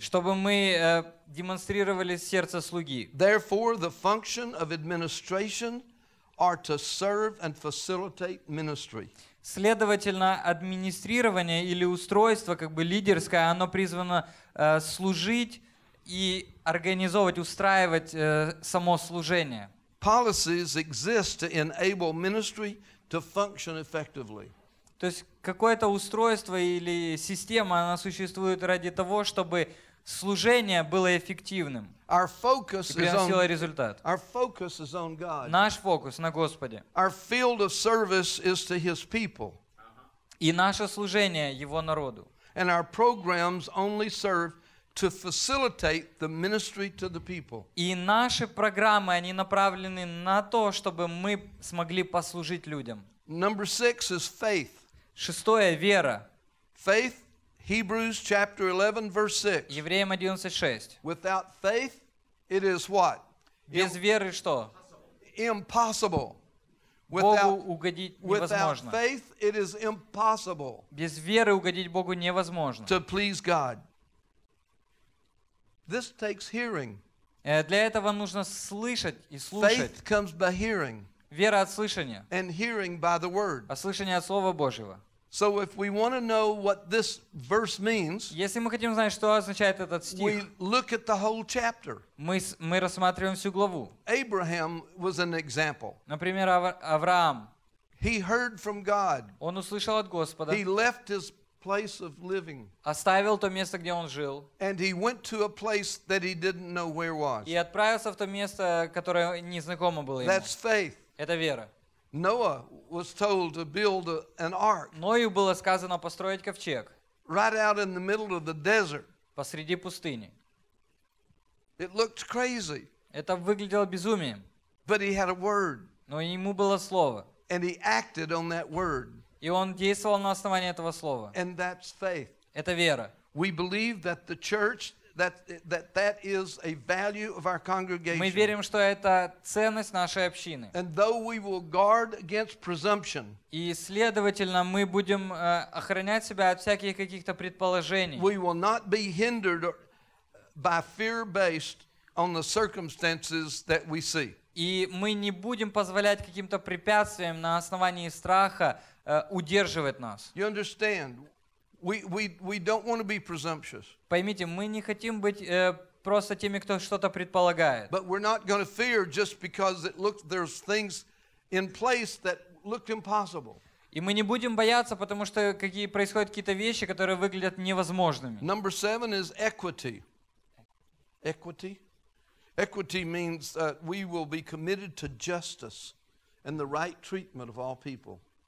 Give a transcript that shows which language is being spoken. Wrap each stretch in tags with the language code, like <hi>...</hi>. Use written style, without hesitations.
<ru>Чтобы мы демонстрировали сердце слуги.</ru> <en>Therefore, the function of administration are to serve and facilitate ministry.</en> <ru>Следовательно, администрирование или устройство, как бы лидерское, оно призвано служить и организовывать, устраивать само служение.</ru> <en>Policies exist to enable ministry to function effectively.</en> <ru>То есть какое-то устройство или система, она существует ради того, чтобы служение было эффективным.</ru> <en>Our focus</en> <ru>и приносило результат.</ru> <en>Our focus is on God.</en> <ru>Наш фокус на Господе.</ru> <en>Our field of service is to His people.</en> <ru>И наше служение Его народу.</ru> <en>And our programs only serve to facilitate the ministry to the people.</en> <ru>И наши программы, они направлены на то, чтобы мы смогли послужить людям.</ru> <en>Number six is faith.</en> <ru>Шестое — вера.</ru> <en>Faith, Hebrews chapter 11, verse 6.</en> <ru>Евреям 11:6.</ru> <en>Without faith, it is what?</en> <ru>Без веры что?</ru> <en>Impossible.</en> <ru>Богу угодить невозможно.</ru> <en>Without faith, it is impossible.</en> <ru>Без веры угодить Богу невозможно.</ru> <en>To please God. This takes hearing.</en> <ru>Для этого нужно слышать и слушать.</ru> <en>Faith comes by hearing.</en> <ru>Вера от слышания.</ru> <en>And hearing by the word.</en> <ru>А слышание от Слова Божьего.</ru> <en>So if we want to know what this verse means,</en> <ru>если мы хотим знать, что означает этот стих,</ru> <en>we look at the whole chapter.</en> <ru>Мы рассматриваем всю главу.</ru> <en>Abraham was an example.</en> <ru>Например, Авраам.</ru> <en>He heard from God.</en> <ru>Он услышал от Господа.</ru> <en>He left his place of living.</en> <ru>Оставил то место, где он жил.</ru> <en>And he went to a place that he didn't know where was.</en> <ru>И отправился в то место, которое незнакомо было ему.</ru> <en>That's faith.</en> <ru>Это вера.</ru> <en>Noah was told to build an ark.</en> <ru>Ною было сказано построить ковчег.</ru> <en>Right out in the middle of the desert.</en> <ru>Посреди пустыни.</ru> <en>It looked crazy.</en> <ru>Это выглядело безумием.</ru> <en>But he had a word.</en> <ru>Но ему было слово.</ru> <en>And he acted on that word.</en> <ru>И он действовал на основании этого слова.</ru> <en>And that's faith.</en> <ru>Это вера.</ru> <en>We believe that the church that is a value of our congregation.</en> <ru>Мы верим, что это ценность нашей общины.</ru> <en>And though we will guard against presumption.</en> <ru>И следовательно, мы будем охранять себя от всяких каких-то предположений.</ru> <en>We will not be hindered by fear based on the circumstances that we see.</en> <ru>И мы не будем позволять каким-то препятствиям на основании страха удерживать нас.</ru> <en>You understand? We don't want to be presumptuous.</en> <ru>Поймите, мы не хотим быть просто теми, кто что-то предполагает.</ru> <en>But we're not going to fear just because it looked there's things in place that looked impossible.</en> <ru>И мы не будем бояться, потому что какие происходят какие-то вещи, которые выглядят невозможными.</ru> <en>Number seven is equity. Equity. Equity means that we will be committed to justice and the right treatment of all people.</en>